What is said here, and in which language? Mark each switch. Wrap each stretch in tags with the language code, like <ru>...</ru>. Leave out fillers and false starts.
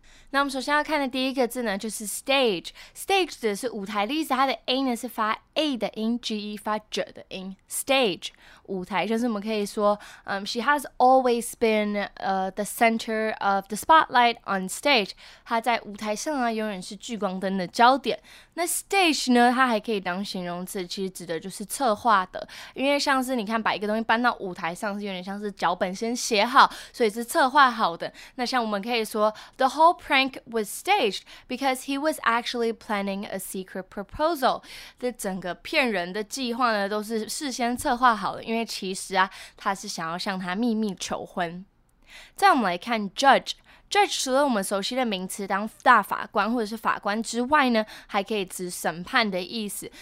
<zh>那我们首先要看的第一个字呢，就是 stage。stage 指的是舞台的意思，它的 a 呢是发 a 的音 ，g e 发 j 的音。</zh> <en>stage</en> <zh>舞台，就是我们可以说，</zh> <en>she has always been the center of the spotlight on stage。</en> <zh>她在舞台上啊，永远是聚光灯的焦点。那 stage 呢，它还可以当形容词，其实指的就是策划的，因为像是你看把一个东西搬到舞台上，是有点像是脚本先写好，所以是策划好的。</zh> <en>那像我们可以说 the whole prank was staged because he was actually planning a secret proposal.</en> <zh>这整个骗人的计划呢，都是事先策划好的，因为其实啊，他是想要向他秘密求婚。再我们来看 judge。 Judge 除了我们熟悉的名词当大法官或者是法官之外呢，还可以指审判的意思。</zh>